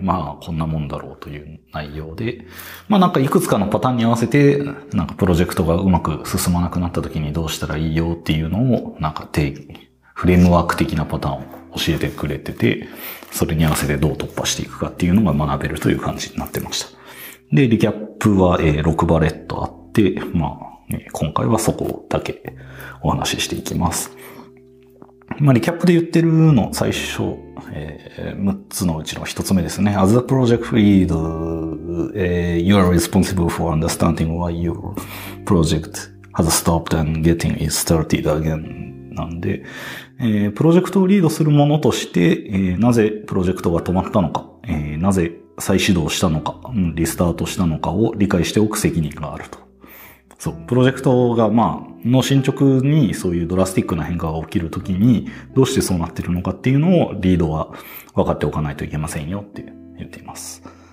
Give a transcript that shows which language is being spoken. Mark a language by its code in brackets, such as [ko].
[ja] まあ、こんなもんだろうという内容で、まあ、なんかいくつかのパターンに合わせて、なんかプロジェクトがうまく進まなくなった時にどうしたらいいよっていうのを、なんか定義、フレームワーク的なパターンを教えてくれてて、それに合わせてどう突破していくかっていうのが学べるという感じになってました。で、リキャップは6バレットあって、まあ、ね、今回はそこだけお話ししていきます。まあ、リキャップで言ってるの最初、6つのうちの1つ目ですね。 [en] As a project lead, you are responsible for understanding why your project has stopped and getting it started again. [ja] なんで、プロジェクトをリードするものとして、なぜプロジェクトが止まったのか、なぜ再始動したのか、リスタートしたのかを理解しておく責任があると。そう、プロジェクトが、まあ、の進捗にそういうドラスティックな変化が起きるときに、どうしてそうなっているのかっていうのをリードは分かっておかないといけませんよって言っています。